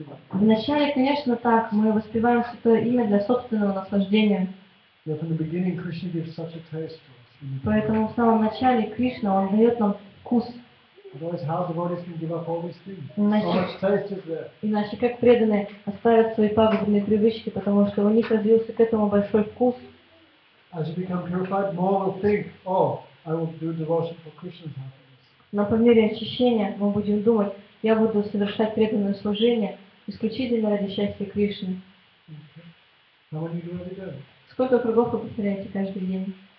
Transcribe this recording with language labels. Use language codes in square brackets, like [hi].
[ru] Вначале, конечно, так, мы воспеваем святое имя для собственного наслаждения. [en] But in the beginning, Krishna gives such a taste to us. [ru] Поэтому в самом начале Кришна он дает нам вкус. [en] Otherwise, how devotees can give up all these things? So much taste is there. [ru] Иначе как преданные оставят свои пагубные привычки, потому что у них развился к этому большой вкус. [en] As you become purified, more will think, oh, I will do devotion for Krishna's happiness. [ru] Но по мере очищения мы будем думать, я буду совершать преданное служение исключительно ради счастья Кришны. [en] How many do every day? [ru] Сколько кругов вы повторяете каждый день?